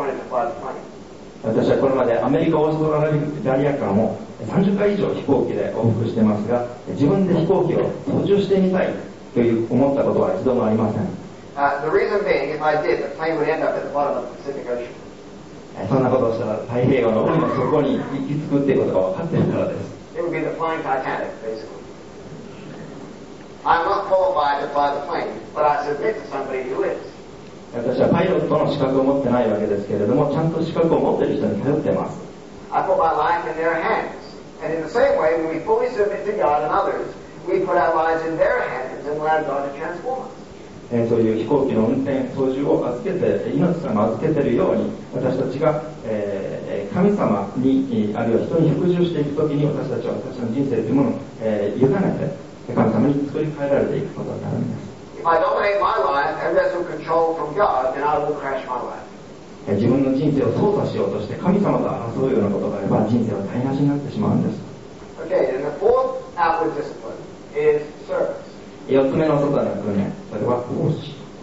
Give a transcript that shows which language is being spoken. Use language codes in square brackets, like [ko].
[ja] 私はこれまでアメリカ、オーストラリア間を30回以上飛行機で往復してますが、自分で飛行機を操縦してみたいという思ったことは一度もありません。 [en] The reason being, if I did, the plane would end up at the bottom of the Pacific Ocean. [ja] そんなことをしたら太平洋の海の底に行き着くということが分かっているからです。 [en] It would be the flying Titanic, basically. I'm not qualified to fly the plane, but I submit to somebody who is. [ja] 私はパイロットの資格を持ってないわけですけれども、ちゃんと資格を持っている人に頼ってます。 [en] I put my life in their hands. And in the same way, when we fully submit to God and others, we put our lives in their hands and allow God to transform us. [ja] そういう飛行機の運転操縦を預けて、命様を預けているように、私たちが、神様に、あるいは人に服従していくときに、私たちは私たちの人生というものを、委ねて神様に作り変えられていくことになるんです。 [en] If I dominate my life and wrestle control from God, then I will crash my life. [ja] 自分の人生を操作しようとして神様と争うようなことがあれば、人生は台無しになってしまうんです。 [en] Okay, then the fourth outward discipline is service. [ja] 4つ目の外の訓練、それは奉仕